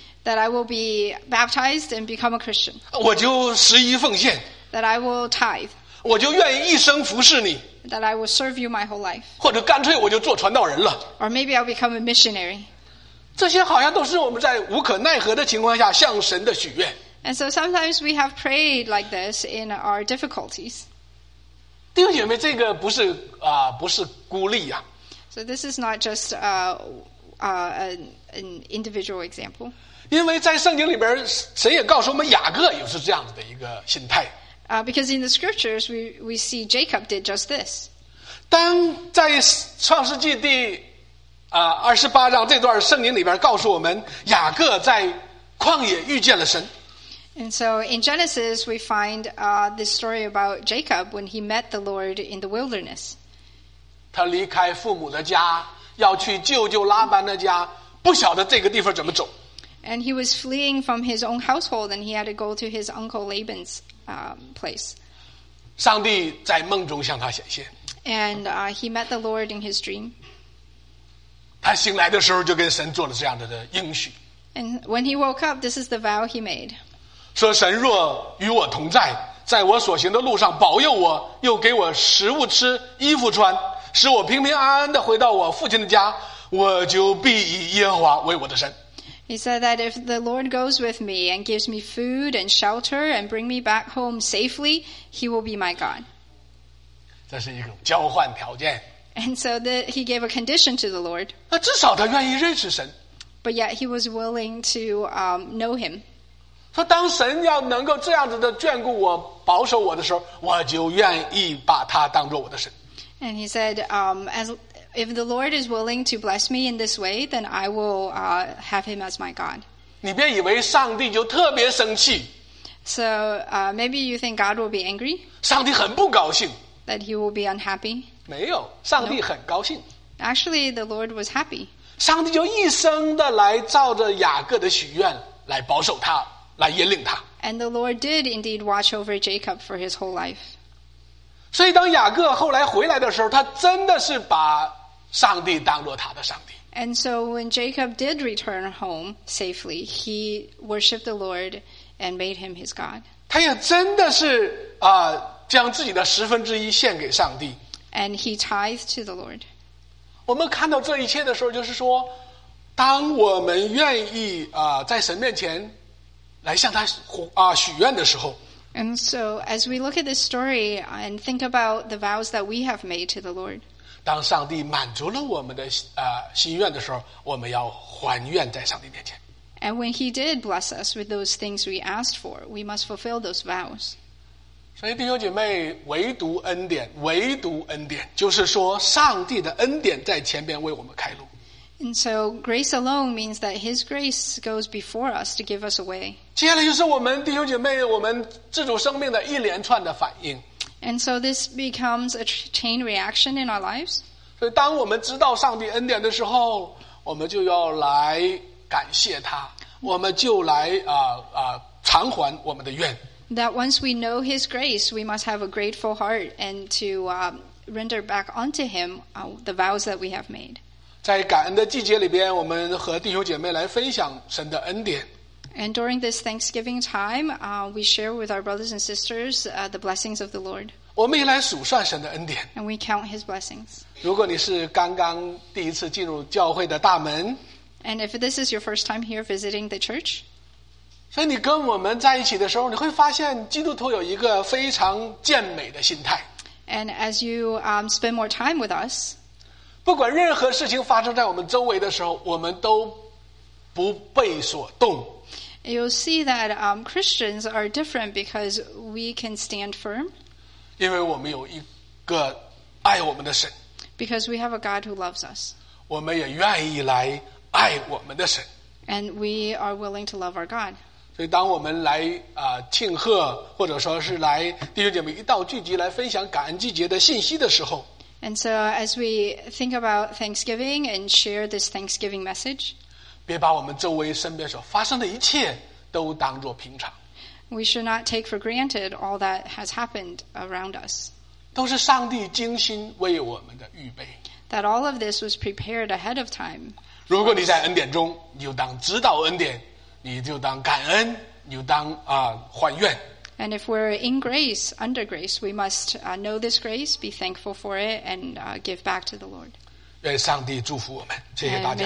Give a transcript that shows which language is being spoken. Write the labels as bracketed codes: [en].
[en] That I will be baptized and become a Christian. [zh] 我就十一奉献。 [en] That I will tithe. [zh] 我就愿意一生服侍你。 [en] That I will serve you my whole life. [zh] 或者干脆我就做传道人了。 [en] Or maybe I'll become a missionary. [zh] 这些好像都是我们在无可奈何的情况下向神的许愿。 [en] And so sometimes we have prayed like this in our difficulties. [zh] 弟兄姐妹，这个不是孤立啊。 [en] So this is not just an individual example. [zh] 因为在圣经里边，神也告诉我们雅各也是这样子的一个心态。 [en] Because in the scriptures we see Jacob did just this. [zh] 当在创世纪第二十八章这段圣经里边告诉我们，雅各在旷野遇见了神。 [en] And so in Genesis, we find this story about Jacob when he met the Lord in the wilderness. [zh] 他离开父母的家，要去舅舅拉班的家，不晓得这个地方怎么走。 [en] And he was fleeing from his own household, and he had to go to his uncle Laban's place. [zh] 上帝在梦中向他显现。 [en] And he met the Lord in his dream. [zh] 他醒来的时候就跟神做了这样的应许。 [en] And when he woke up, this is the vow he made. [zh] 说神若与我同在，在我所行的路上保佑我，又给我食物吃，衣服穿，使我平平安安地回到我父亲的家，我就必以耶和华为我的神。 [en] He said that if the Lord goes with me and gives me food and shelter and bring me back home safely, he will be my God. [zh] 这是一个交换条件。 [en] And so he gave a condition to the Lord. [zh] 那至少他愿意认识神。 [en] But yet he was willing to know him. [zh] 说当神要能够这样子的眷顾我保守我的时候，我就愿意把他当作我的神。 [en] And he said, if the Lord is willing to bless me in this way, then I will have him as my God. [zh] 你别以为上帝就特别生气。 [en] So maybe you think God will be angry. [zh] 上帝很不高兴。 [en] That he will be unhappy. [zh] 没有，上帝很高兴。 [en] No. Actually, the Lord was happy. [zh] 上帝就一生的来照着雅各的许愿来保守他。来引领他。 [en] And the Lord did indeed watch over Jacob for his whole life. [zh] 所以当雅各后来回来的时候，他真的是把上帝当作他的上帝。 [en] And so when Jacob did return home safely, he worshipped the Lord and made him his God. [zh] 他也真的是将自己的十分之一献给上帝。 [en] And he tithed to the Lord. [zh] 我们看到这一切的时候，就是说，当我们愿意在神面前。来向他许愿的时候。 [en] And so, as we look at this story and think about the vows that we have made to the Lord, [zh] 当上帝满足了我们的心愿的时候，我们要还愿在上帝面前。 [en] And when he did bless us with those things we asked for, we must fulfill those vows. [zh] 所以弟兄姐妹，唯独恩典，唯独恩典，就是说上帝的恩典在前边为我们开路。 [en] And so grace alone means that His grace goes before us to give us a way. [zh] 接下来就是我们弟兄姐妹，我们自主生命的一连串的反应。 [en] And so this becomes a chain reaction in our lives. [zh] 所以当我们知道上帝恩典的时候，我们就要来感谢他，我们就来偿还我们的愿。 [en] That once we know His grace, we must have a grateful heart and to render back unto Him the vows that we have made. [zh] 在感恩的季节里边，我们和弟兄姐妹来分享神的恩典。 [en] And during this Thanksgiving time, we share with our brothers and sisters the blessings of the Lord. [zh] 我们也来数算神的恩典。 [en] And we count His blessings. [zh] 如果你是刚刚第一次进入教会的大门 [en] ，And if this is your first time here visiting the church, [zh] 所以你跟我们在一起的时候，你会发现基督徒有一个非常健美的心态。 [en] And as you spend more time with us. [zh] 不管任何事情发生在我们周围的时候，我们都不被所动。 [en] You'll see that Christians are different because we can stand firm. [zh] 因为我们有一个爱我们的神。 [en] Because we have a God who loves us. [zh] 我们也愿意来爱我们的神。 [en] And we are willing to love our God. [zh] 所以当我们来庆贺，或者说是来弟兄姐妹一道聚集来分享感恩季节的信息的时候， [en] And so as we think about Thanksgiving and share this Thanksgiving message, [zh] 别把我们周围身边所发生的一切都当作平常。 [en] We should not take for granted all that has happened around us. [zh] 都是上帝精心为我们的预备。 [en] That all of this was prepared ahead of time. [zh] 如果你在恩典中，你就当知道恩典，你就当感恩，你就当还愿。 [en] And if we're in grace, under grace, we must know this grace, be thankful for it, and give back to the Lord. [zh] 愿上帝祝福我们，谢谢大家。